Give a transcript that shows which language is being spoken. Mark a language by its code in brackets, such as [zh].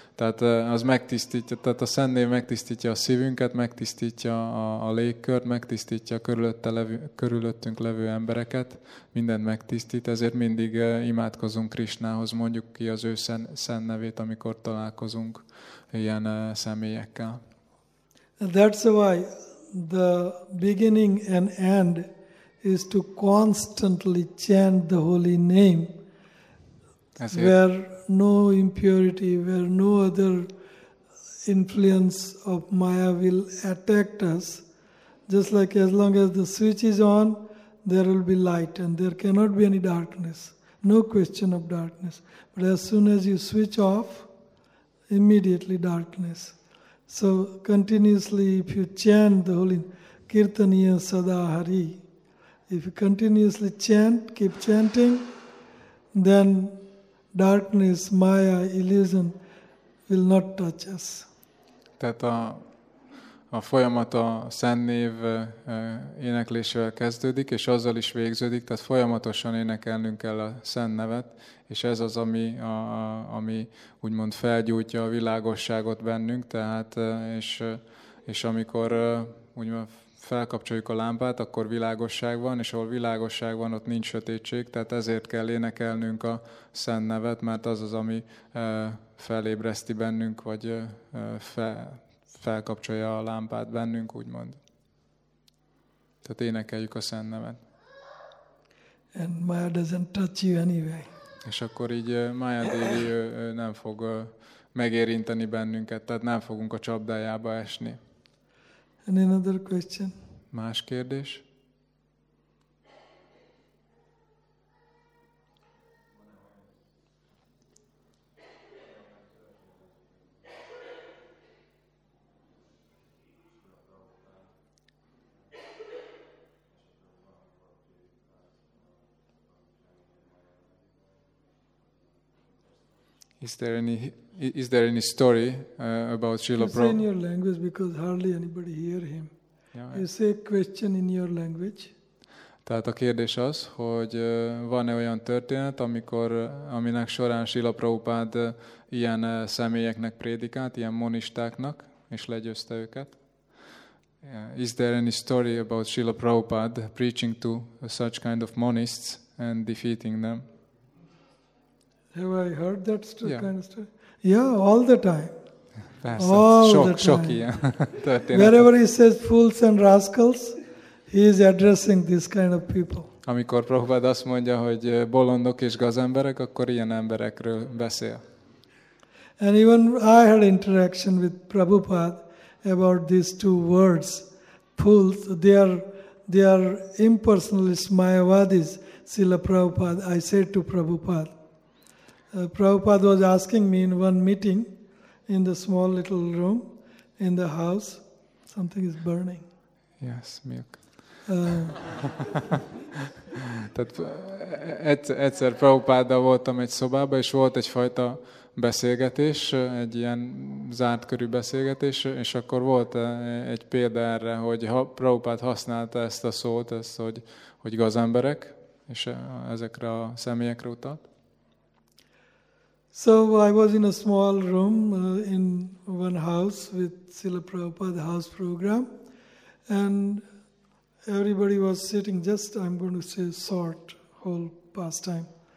[hu] Tehát az megtisztítja, tehát a szent név megtisztítja a szívünket, megtisztítja a légkört, megtisztítja a körülöttünk levő embereket, mindent megtisztít, ezért mindig imádkozunk Krisnához, mondjuk ki az ő szent nevét, amikor találkozunk ilyen személyekkel. [en] That's why the beginning and end is to constantly chant the holy name, where no impurity, where no other influence of Maya will attack us. Just like as long as the switch is on, there will be light and there cannot be any darkness. no question of darkness. But as soon as you switch off, immediately darkness. So continuously, if you chant the holy Kirtaniya Sada Hari, if you continuously chant, keep chanting, then darkness, maya, illusion will not touch us. [hu] Tehát a folyamat a Szent Név éneklésével kezdődik, és azzal is végződik, tehát folyamatosan énekelnünk kell a Szent Nevet, és ez az, ami úgymond felgyújtja a világosságot bennünk, tehát és amikor úgymond felkapcsoljuk a lámpát, akkor világosság van, és ahol világosság van, ott nincs sötétség, tehát ezért kell énekelnünk a Szent Nevet, mert az az, ami felébreszti bennünk, vagy felkapcsolja a lámpát bennünk, úgymond. Tehát énekeljük a Szent Nevet. [en] And Maya doesn't touch you anyway. [hu] És akkor így Maya Devi nem fog megérinteni bennünket, tehát nem fogunk a csapdájába esni. [en] And another question. [hu] Más kérdés? [en] Is there any story about Srila Prabhupada? You say in your language because hardly anybody hear him. Yeah. You say question in your language. [hu] Tehát a kérdés az, hogy van-e olyan történet, amikor aminek során Srila Prabhupada ilyen személyeknek prédikált, ilyen monistáknak, és legyőzte őket? [en] Yeah. Is there any story about Srila Prabhupada preaching to such kind of monists and defeating them? Have I heard that story, yeah, kind of story? Yeah, all the time. Persze. All shock, the time. Shocky, yeah. Wherever he says fools and rascals, he is addressing this kind of people. [hu] Amikor Prabhupada azt mondja, hogy bolondok és gazemberek, akkor ilyen emberekről beszél. [en] And even I had interaction with Prabhupada about these two words, fools. They are impersonalist Mayavadis. Srila Prabhupada, I said to Prabhupada. Prabhupada was asking me in one meeting in the small little room in the house. Something is burning. Yes, milk. [hu] Tehát egyszer Prabhupada voltam egy szobában, és volt egyfajta beszélgetés, egy ilyen zárt körű beszélgetés, és akkor volt egy példa erre, hogy Prabhupada használta ezt a szót, ezt, hogy gazemberek, és ezekre a személyekre utalt. [en] So I was in a small room in one house with Srila Prabhupada house program, and everybody was sitting just, I'm going to say, short whole pastime.